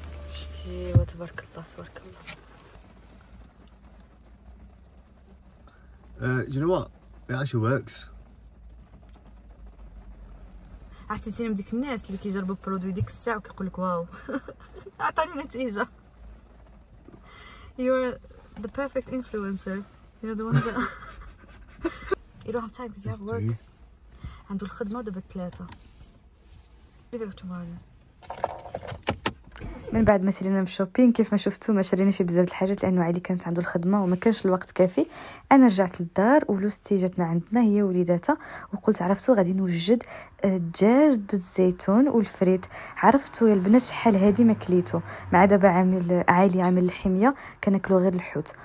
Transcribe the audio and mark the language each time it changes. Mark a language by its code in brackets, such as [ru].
[ar] شتي وتبارك الله تبارك الله. [en] You know what? It actually works. [ar] عرفتي تسيني بديك الناس اللي كيجربوا برودوي ديك الساعة وكيقول لك واو عطاني نتيجة. [en] You are the perfect influencer. You know the one that... You don't have time because you have work. [ar] عندو الخدمة دابا ثلاثة. [en] Leave it for tomorrow then. [ar] من بعد ما سرينا من شوبين كيف ما شفتوا ما شريناش بزاف د الحاجات لانه علي كانت عنده الخدمه وما كانش الوقت كافي. انا رجعت للدار ولوستي جاتنا عندنا هي وليداتها وقلت عرفتوا غادي نوجد الدجاج بالزيتون والفريت. عرفتوا يا البنات شحال هادي ما كليتو مع دابا عامل عالي عامل الحميه كناكلو غير الحوت.